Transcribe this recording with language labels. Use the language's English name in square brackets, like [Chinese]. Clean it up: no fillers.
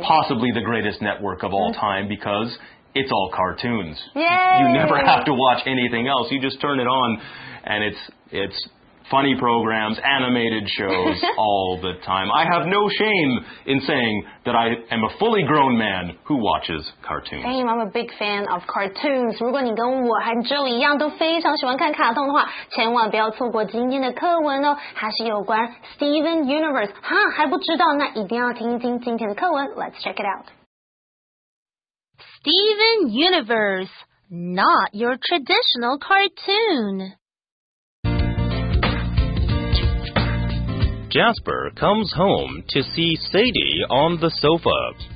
[English] Possibly the greatest network of all time because it's all cartoons. Yay! You never have to watch anything else. You just turn it on. And it's funny programs, animated shows all the time. I have no shame in saying that I am a fully grown man who watches cartoons. Same, I'm a big fan of cartoons. [Chinese] 如果你跟我和 Joe 一样都非常喜欢看卡通的话，千万不要错过今天的课文哦。它是有关 Steven Universe。哈，还不知道？那一定要听一听今天的课文。 [English] Let's check it out. Steven Universe, not your traditional cartoon. Jasper comes home to see Sadie on the sofa.